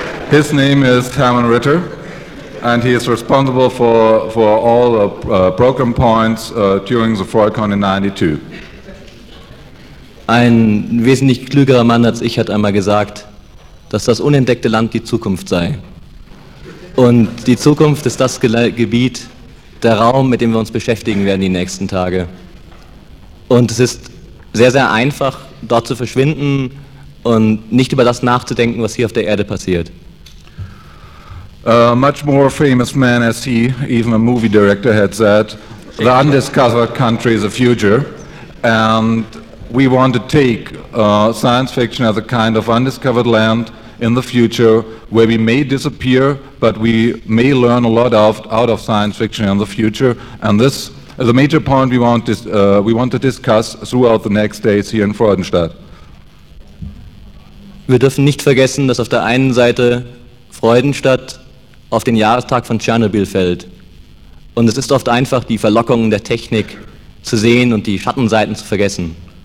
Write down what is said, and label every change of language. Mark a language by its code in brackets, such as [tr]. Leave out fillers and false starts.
[en] His name is Hermann Ritter and he is responsible for all the program points during the Freukon in 92. [de] Ein wesentlich klügerer Mann als ich hat einmal gesagt, dass das unentdeckte Land die Zukunft sei. Und die Zukunft ist das Gebiet, der Raum, mit dem wir uns beschäftigen werden die nächsten Tage. Und es ist sehr, sehr einfach, dort zu verschwinden und nicht über das nachzudenken, was hier auf der Erde passiert. [en] A much more famous man as he, even a movie director, had said, the undiscovered country is the future. And we want to take science fiction as a kind of undiscovered land in the future where we may disappear, but we may learn a lot out of science fiction in the future. And this is a major point we want to discuss throughout the next days here in Freudenstadt. [de] Wir dürfen nicht vergessen, dass auf der einen Seite Freudenstadt auf den Jahrestag von Tschernobyl fällt. Und es ist oft einfach, die Verlockungen der Technik zu sehen und die Schattenseiten zu vergessen.